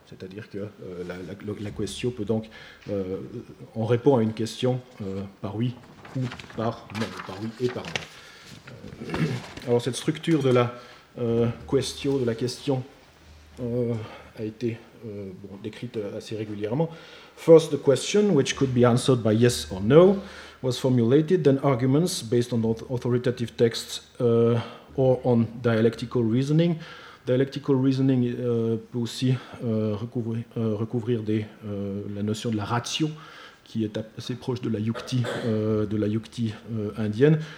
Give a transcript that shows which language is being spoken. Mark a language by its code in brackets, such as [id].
[fr] C'est-à-dire que la questio peut donc, on répond à une question par oui ou par non, par oui et par non. Alors cette structure de la questio, de la question, a été décrite assez régulièrement. [en] First, the question, which could be answered by yes or no, was formulated, then arguments based on authoritative texts or on dialectical reasoning. [fr] Dialectical reasoning peut aussi recouvrir la notion de la ratio, qui est assez proche de la yukti, indienne.